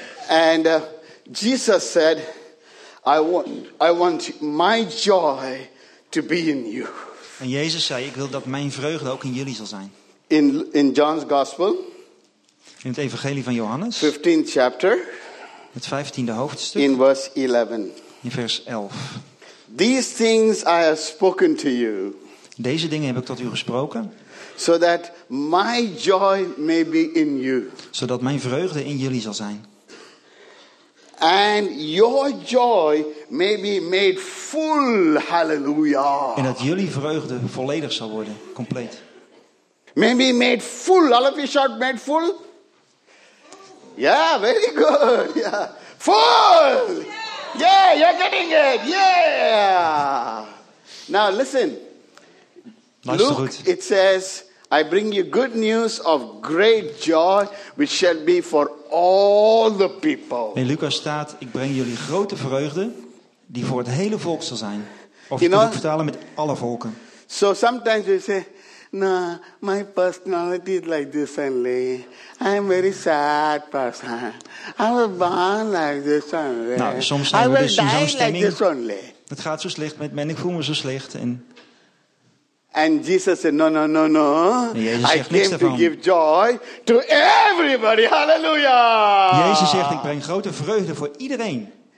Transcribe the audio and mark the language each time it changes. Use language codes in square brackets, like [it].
[en] And Jesus said, I want my joy to be in you. [nl] En Jezus zei, ik wil dat mijn vreugde ook in jullie zal zijn. [en] In John's Gospel, [nl] in het Evangelie van Johannes, [en] 15th chapter, [nl] het 15e hoofdstuk, [en] in verse 11. [nl] In vers 11. [en] These things I have spoken to you. [nl] Deze dingen heb ik tot u gesproken. [en] So that my joy may be in you. [nl] Zodat mijn vreugde in jullie zal zijn. [en] And your joy may be made full. Hallelujah. [nl] En dat jullie vreugde volledig zal worden, compleet. [en] Maybe made full. All of you shout made full. Yeah, very good. Yeah, full. Yeah, you're getting it. Yeah. Now listen. Luke, it says, I bring you good news of great joy, which shall be for all the people. [nl] In Lucas staat, ik breng jullie grote vreugde, die voor het hele volk zal zijn. Of je moet vertalen met alle volken. [en] So sometimes we say, nah, my personality is like this only. I'm a very sad person. I was born like this only. [nl] Nou, soms zijn we dus in zo'n stemming. [en] Like this only. [nl] Het gaat zo slecht met mij. Ik voel me zo slecht. En [en] And Jesus said, no. [nl] Jezus zegt [en] I came [nl] niks [en] to give joy to everybody. Hallelujah. [nl] Jezus zegt, ik breng grote vreugde voor iedereen.